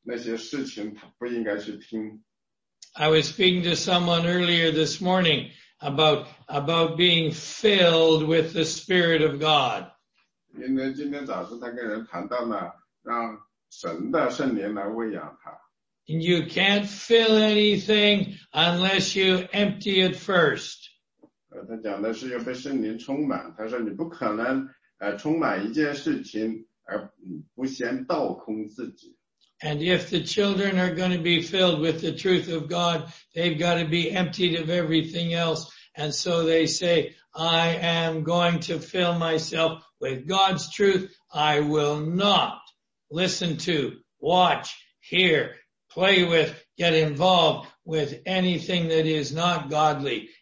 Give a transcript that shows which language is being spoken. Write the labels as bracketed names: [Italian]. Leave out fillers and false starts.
[Chinese] 所以呢，当他成年人以后呢，他发现这个不能去的地方更多了，有些地方他不能去，那些事情他不应该去听。 [English] I was speaking to someone earlier this morning about being filled with the Spirit of God. [Chinese] 因为今天早上他跟人谈到呢，让神的圣灵来喂养他。 [English] And you can't fill anything unless you empty it first. [Chinese] 他讲的是要被圣灵充满，他说你不可能充满一件事情而不先倒空自己。 [English] And if the children are going to be filled with the truth of God, they've got to be emptied of everything else, And so they say, I am going to fill myself with God's truth. I will not listen to, watch, hear, play with, get involved with anything that is not godly.